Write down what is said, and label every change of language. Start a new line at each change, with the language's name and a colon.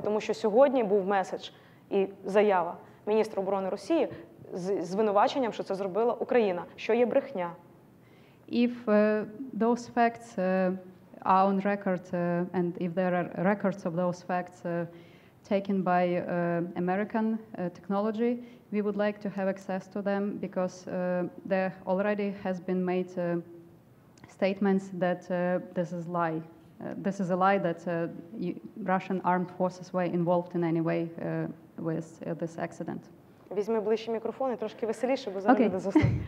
Ukrainian: Тому що сьогодні був меседж і заява міністра оборони Росії з звинуваченням, що це зробила Україна, що є брехня.
English: If those facts are on record, and if there are records of those facts taken by American technology, we would like to have access to them, because there already has been made statements that this is a lie. This is a lie that Russian armed forces were involved in any way with this accident.
Ukrainian: Візьми ближче мікрофон і трошки веселіше, бо зараз буде засну.